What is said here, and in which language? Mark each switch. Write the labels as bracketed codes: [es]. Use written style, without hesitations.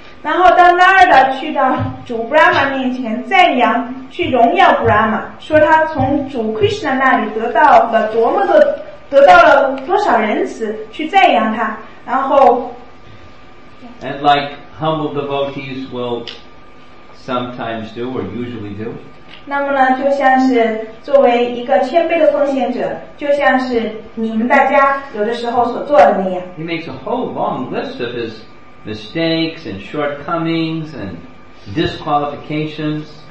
[zh] 然后当Narada去到主Brahma面前赞扬，去荣耀Brahma，说他从主Krishna那里得到了多么的，得到了多少仁慈，去赞扬他，然后 [en] And like humble devotees will sometimes do or usually do. [zh] 那么呢，就像是作为一个谦卑的奉献者，就像是你们大家有的时候所做的那样。 [en] He makes a whole long list of his mistakes and shortcomings and disqualifications.